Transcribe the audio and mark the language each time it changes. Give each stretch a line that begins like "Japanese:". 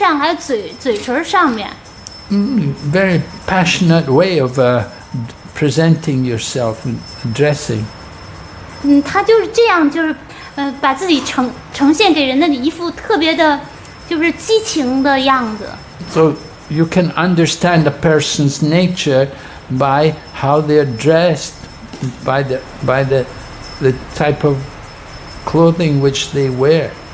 Chinese: 然后这个女子呢，还那个把那个亮亮的饰片呢，就挂在她的眼皮上，还有嘴唇上面。
English: Very passionate way of presenting yourself and dressing.
Chinese: 她就是这样，就是把自己呈现给人的一副特别的，就是激情的样子。
English: So you can understand a person's nature by how they're dressed, by the type of clothing which they wear.